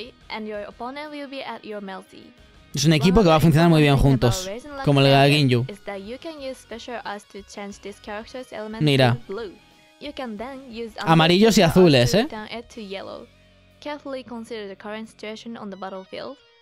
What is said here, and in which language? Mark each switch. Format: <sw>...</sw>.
<en>And your opponent will be at your mercy.</en> <es>Es un equipo que va a funcionar muy bien juntos, como el de Ginyu.</es> <en>Is that you can use special arts to change this character's elements to blue. You can then use</en> <es>amarillos y azules, ¿eh?</es> <en>Turn it to yellow. Carefully consider the current situation on the battlefield.</en>